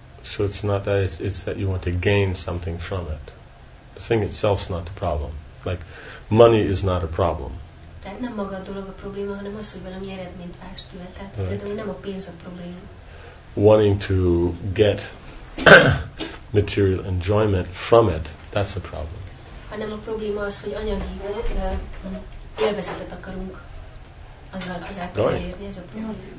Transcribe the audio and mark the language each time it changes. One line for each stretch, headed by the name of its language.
English: So it's not that it's that you want to gain something from it. The thing itself is not the problem. Like money is not a problem.
Hungarian: Tehát nem maga a dolog a probléma, hanem az, hogy valami eredményt vársz tőle. Tehát például nem a pénz a probléma.
English: Wanting to get material enjoyment from it, that's a problem.
Hungarian: Hanem a probléma az, hogy anyagi élvezetet akarunk azzal elérni, ez a probléma.